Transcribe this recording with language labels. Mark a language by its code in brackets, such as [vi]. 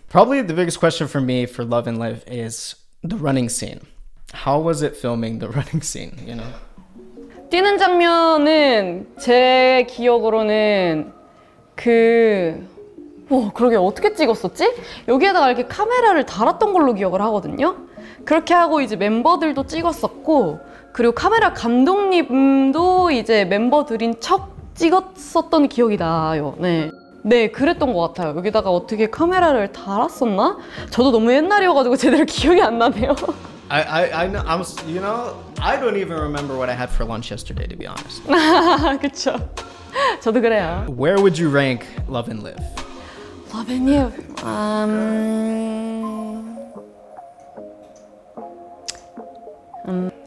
[en] Probably the biggest question for me for Love and Live is the running scene. How was it filming the running scene, you know? [ko] 뛰는 장면은 제 기억으로는 그러게 어떻게 찍었었지? 여기에다가 이렇게 카메라를 달았던 걸로 기억을 하거든요. 그렇게 하고 이제 멤버들도 찍었었고 그리고 카메라 감독님도 이제 멤버들인 척 찍었었던 기억이 나요. 네. 네, 그랬던 것 같아요. 여기다가 어떻게 카메라를 달았었나? 저도 너무 옛날이어가지고 제대로 기억이 안 나네요. [en] I'm, you know, I don't even remember what I had for lunch yesterday, to be honest. [ko] 그쵸. 저도 그래요. [en] Where would you rank Love and Live? Love and Live?